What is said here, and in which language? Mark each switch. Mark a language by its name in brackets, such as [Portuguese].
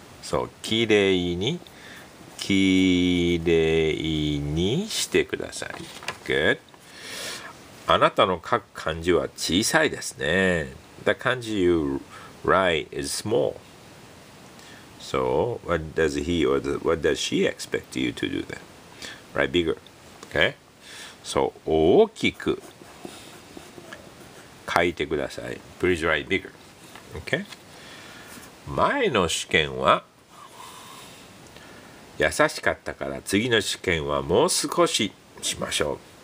[Japanese] So, きれいにしてください。 [English] Good. [Japanese] あなたの書く漢字は小さいですね。 [English] The 漢字 you write is small. So, what does he or what does she expect you to do then? Write bigger. Okay? [Japanese] So, 大きく書いてください。 [English] Please write bigger. Okay? [Japanese] 前の試験は優しかったから次の試験はもう少ししましょう。